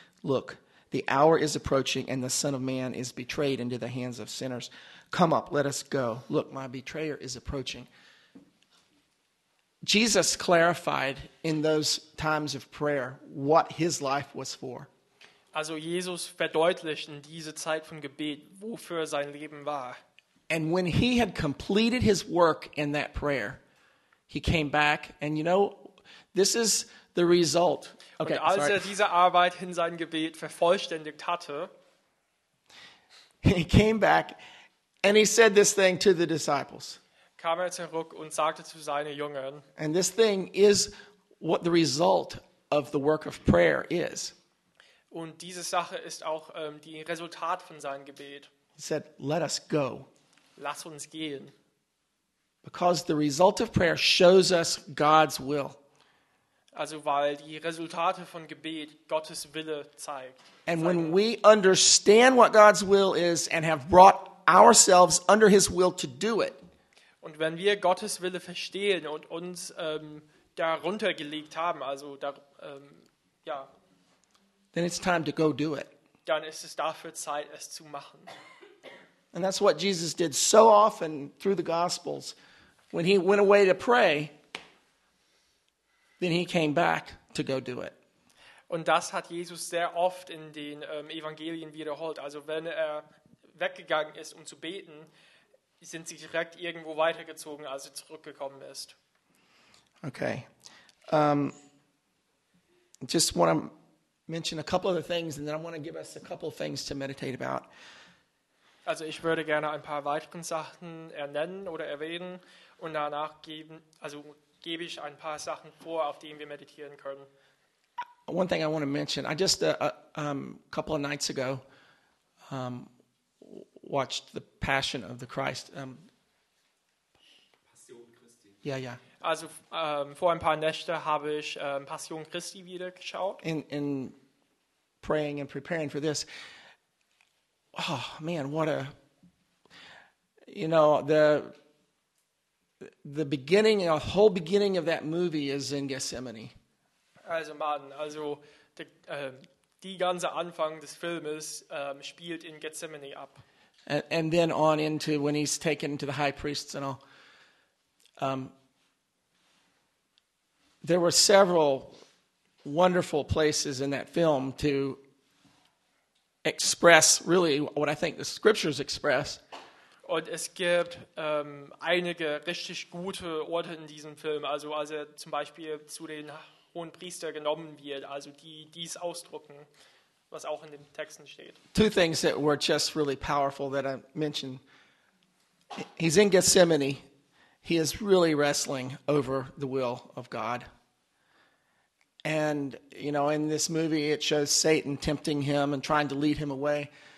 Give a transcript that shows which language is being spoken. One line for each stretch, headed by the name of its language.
English: Look, the hour is approaching, and the Son of Man is betrayed into the hands of sinners. Come up, let us go. Look, my betrayer is approaching. Jesus clarified in those times of prayer what his life was for.
German: Also Jesus verdeutlicht in diese Zeit von Gebet, wofür sein Leben war.
English: And when he had completed his work in that prayer, he came back. And you know, this is the result.
German: Okay, und als er diese Arbeit in sein Gebet vervollständigt hatte,
English: he came back and he said this thing to the disciples.
German: Kam er zurück und sagte zu seinen Jüngern.
English: And this thing is what the result of the work of prayer is.
German: Und diese Sache ist auch die Resultat von seinem Gebet.
English: He said, let us go.
German: Lass uns gehen.
English: Because the result of prayer shows us God's will.
German: Also weil die Resultate von Gebet Gottes Wille zeigt.
English: And when we understand what God's will is and have brought ourselves under his will to do it.
German: Und wenn wir Gottes Wille verstehen und uns darunter gelegt haben, also da ja.
English: Then it's time to go do it.
German: Dann ist es dafür Zeit, es zu machen.
English: And that's what Jesus did so often through the Gospels. When he went away to pray, then he came back to go do it.
German: Und das hat Jesus sehr oft in den Evangelien wiederholt. Also wenn er weggegangen ist, um zu beten, sind sie direkt irgendwo weitergezogen, als sie zurückgekommen ist. Okay.
English: Just want to mention a couple of the things, and then I want to give us a couple of things to meditate about.
German: Also ich würde gerne ein paar weitere Sachen ernennen oder erwähnen und danach geben, also gebe ich ein paar Sachen vor, auf denen wir meditieren können.
English: One thing I want to mention, I just couple of nights ago watched The Passion of the Christ.
German: Passion Christi. Yeah. Also vor ein paar Nächte habe ich Passion Christi wieder geschaut.
English: In praying and preparing for this. Oh man, what a, you know, the beginning, the whole beginning of that movie is in Gethsemane.
German: Also man, also die ganze Anfang des Filmes spielt in Gethsemane ab.
English: And then on into when he's taken to the high priests and all. There were several wonderful places in that film to express really what I think the scriptures express.
German: Und es gibt einige richtig gute Orte in diesem Film, also als er zum Beispiel zu den hohen Priester genommen wird, also die dies ausdrucken, was auch in den Texten steht.
English: Two things that were just really powerful that I mentioned. He's in Gethsemane. He is really wrestling over the will of God. And, you know, in this movie, it shows Satan tempting him and trying to lead him away.